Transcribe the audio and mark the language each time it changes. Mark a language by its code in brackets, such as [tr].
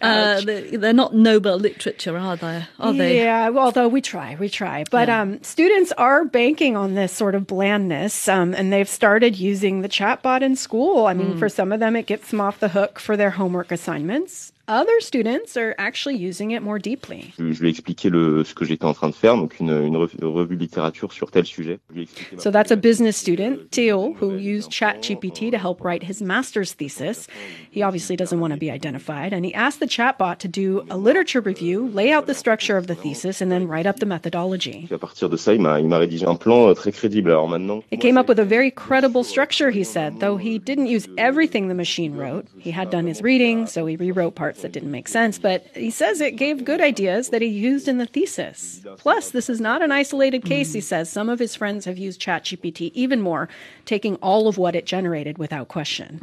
[en] They're not Nobel literature, are they? Yeah, well, although we try. But yeah. Students are banking on this sort of blandness, and they've started using the chatbot in school. I mean, for some of them, it gets them off the hook for their homework assignments. Other students are actually using it more deeply. [fr] Je lui ai expliqué ce que j'étais en train de faire, donc une revue littérature sur tel sujet. [en] So that's a business student, Théo, who used ChatGPT to help write his master's thesis. He obviously doesn't want to be identified, and he asked the chatbot to do a literature review, lay out the structure of the thesis, and then write up the methodology. [fr] À partir de ça, il m'a rédigé un plan très crédible. Alors maintenant, [en] it came up with a very credible structure, he said, though he didn't use everything the machine wrote. He had done his reading, so he rewrote parts that didn't make sense, but he says it gave good ideas that he used in the thesis. Plus, this is not an isolated case, he says. Some of his friends have used ChatGPT even more, taking all of what it generated without question.